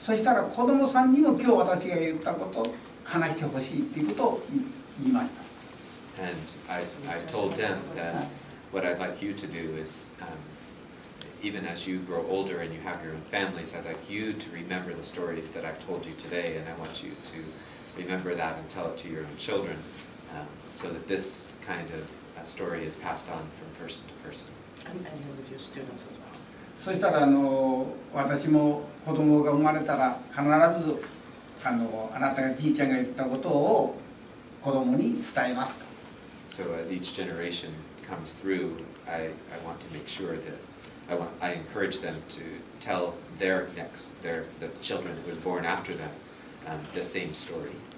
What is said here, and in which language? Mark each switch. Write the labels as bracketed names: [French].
[Japanese] そしたら子供さんにも今日私が言ったことを話してほしいということを言いました。 [English] And I told them that what I'd like you to do is, even as you grow older and you have your own families, I'd like you to remember the story that I've told you today, and I want you to remember that and tell it to your own children, so that this kind of story is passed on from person to person. And with your students as well. [Japanese] そしたら私も子供が生まれたら必ずあなたがじいちゃんが言ったことを子供に伝えます。 [English] So as each generation comes through, I want to make sure that I encourage them to tell the children that was born after them, the same story.